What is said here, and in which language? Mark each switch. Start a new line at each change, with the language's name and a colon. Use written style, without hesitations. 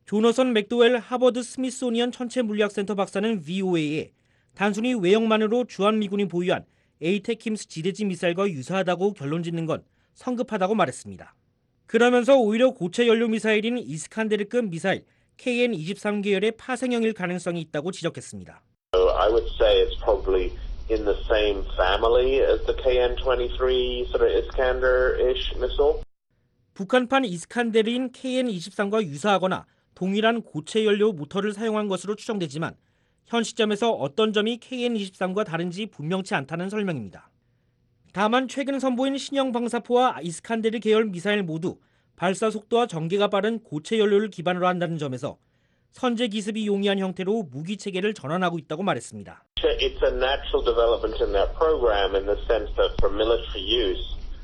Korean: 조너선 맥도웰 하버드 스미소니언 천체물리학센터 박사는 VOA에 단순히 외형만으로 주한미군이 보유한 에이테킴스 지대지 미사일과 유사하다고 결론짓는 건 성급하다고 말했습니다. 그러면서 오히려 고체 연료 미사일인 이스칸데르급 미사일 KN-23 계열의 파생형일 가능성이 있다고 지적했습니다.
English: I would say it's probably in the same family as the KN-23 sort of Iskander-ish missile.
Korean: 북한판 이스칸데르인 KN-23과 유사하거나 동일한 고체 연료 모터를 사용한 것으로 추정되지만 현 시점에서 어떤 점이 KN-23과 다른지 분명치 않다는 설명입니다. 다만 최근 선보인 신형 방사포와 이스칸데르 계열 미사일 모두 발사 속도와 전개가 빠른 고체 연료를 기반으로 한다는 점에서 선제 기습이 용이한 형태로 무기 체계를 전환하고 있다고 말했습니다.
English: It's a natural development in their program in the sense that for military use.